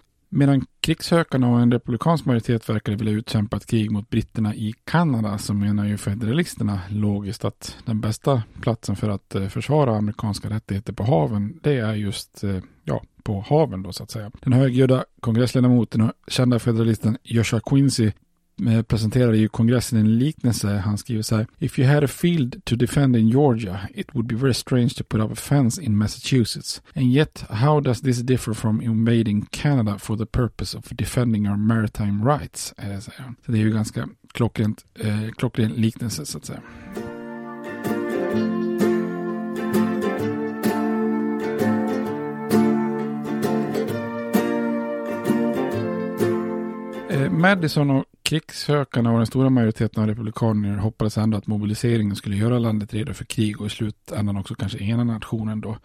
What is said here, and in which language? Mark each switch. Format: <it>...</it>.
<sv>Medan krigshökarna och en republikansk majoritet verkade vilja utkämpa ett krig mot britterna i Kanada, så menar ju federalisterna logiskt att den bästa platsen för att försvara amerikanska rättigheter på haven, det är just på haven då så att säga. Den högljudda kongressledamoten och kända federalisten Joshua Quincy presenterade ju kongressen en liknelse.</sv> <en>Han skriver så här: "If you had a field to defend in Georgia, it would be very strange to put up a fence in Massachusetts. And yet, how does this differ from invading Canada for the purpose of defending our maritime rights?"</en> <sv>Så det är ju ganska klockrent liknelse så att säga. Madison och krigshökarna och den stora majoriteten av republikaner hoppades ändå att mobiliseringen skulle göra landet redo för krig och i slutändan också kanske ena nationen då.</sv>